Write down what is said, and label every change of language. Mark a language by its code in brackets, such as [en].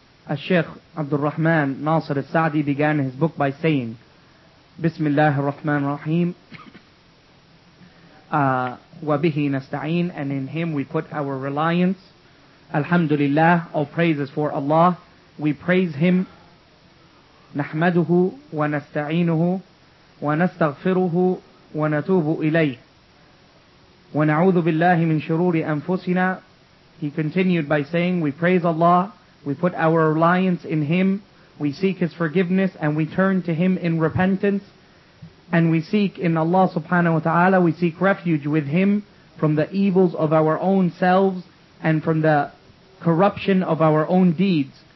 [ar] الشيخ عبد الرحمن ناصر السعدي [en] began his book by saying [ar] بسم الله الرحمن الرحيم وبه نستعين [en] and in him we put our reliance. [ar] الحمد لله, [en] all praises for Allah, we praise him. [ar] نحمده ونستعينه ونستغفره ونتوب إليه ونعوذ بالله من شرور أنفسنا. [en] He continued by saying we praise Allah, we put our reliance in him, we seek his forgiveness, and we turn to him in repentance, and we seek in Allah subhanahu wa ta'ala, we seek refuge with him from the evils of our own selves and from the corruption of our own deeds.